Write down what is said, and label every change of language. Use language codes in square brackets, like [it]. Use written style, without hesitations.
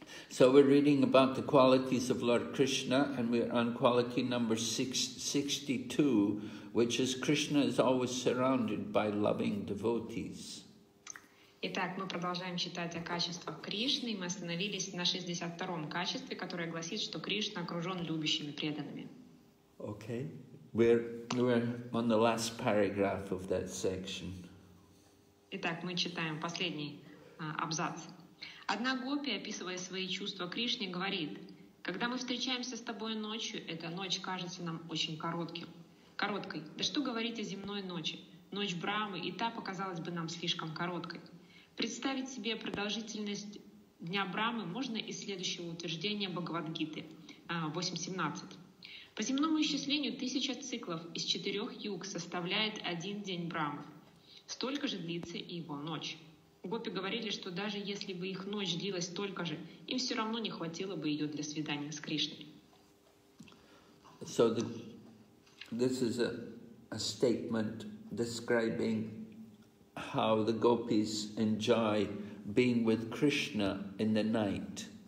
[en] So we're reading about the qualities of Lord Krishna, and we're on quality number 662, which is Krishna is always surrounded by loving devotees. [ru] Итак, мы продолжаем читать о качествах Кришны, и мы остановились на 62-м качестве, которое гласит, что Кришна окружен любящими преданными. [en] Okay, we're on the last paragraph of that section. [ru] Итак, мы читаем последний абзац. Одна гопи, описывая свои чувства Кришне, говорит: «Когда мы встречаемся с тобой ночью, эта ночь кажется нам очень короткой. Да что говорить о земной ночи? Ночь Брахмы и та показалась бы нам слишком короткой». Представить себе продолжительность дня Брахмы можно из следующего утверждения Бхагавадгиты 8.17. «По земному исчислению 1000 циклов из 4 юг составляет один день Брахмы. Столько же длится и его ночь». Гопи говорили, что даже если бы их ночь длилась столько же, им все равно не хватило бы ее для свидания с Кришной. [en] So this is a statement describing how the gopis enjoy being with Krishna in the night.